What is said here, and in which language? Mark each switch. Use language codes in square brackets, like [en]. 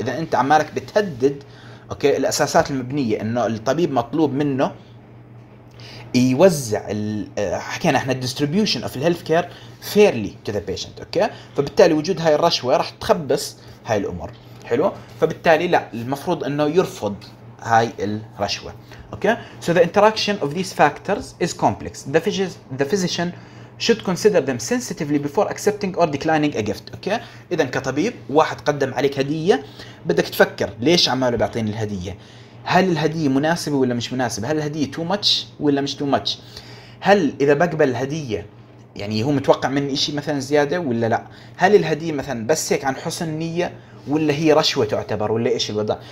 [ar] اذا انت عمالك بتهدد اوكي الاساسات المبنيه انه الطبيب مطلوب منه يوزع حكينا احنا الديستريبيوشن اوف الهيلث كير فيرلي تو ذا بيشنت. اوكي فبالتالي وجود هاي الرشوه راح تخبص هاي الامور. حلو فبالتالي لا المفروض انه يرفض هاي الرشوة. [en] Okay, so the interaction of these factors is complex. The physician should consider them sensitively before accepting or declining a gift. [ar] Okay, إذا كطبيب واحد قدم عليك هدية بدك تفكر ليش عماله بيعطيني الهدية، هل الهدية مناسبة ولا مش مناسبة، هل الهدية [en] too much [ar] ولا مش [en] too much، [ar] هل إذا بقبل الهدية يعني هو متوقع مني إشي مثلا زيادة ولا لا، هل الهدية مثلا بس هيك عن حسن نية ولا هي رشوة تعتبر ولا إيش الوضع.